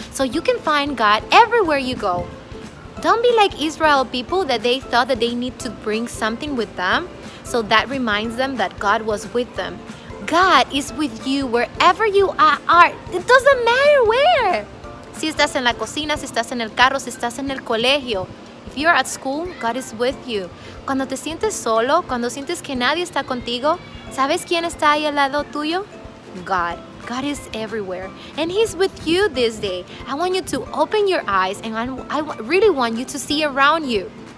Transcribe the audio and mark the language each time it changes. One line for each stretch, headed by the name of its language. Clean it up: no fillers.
English: So you can find God everywhere you go. Don't be like Israel people that they thought that they need to bring something with them. So that reminds them that God was with them. God is with you wherever you are. It doesn't matter where.
Spanish: Si estás en la cocina, si estás en el carro, si estás en el colegio.
English: If you're at school, God is with you.
Spanish: Cuando te sientes solo, cuando sientes que nadie está contigo, ¿sabes quién está ahí al lado tuyo?
English: God. God is everywhere. And he's with you this day. I want you to open your eyes and I really want you to see around you.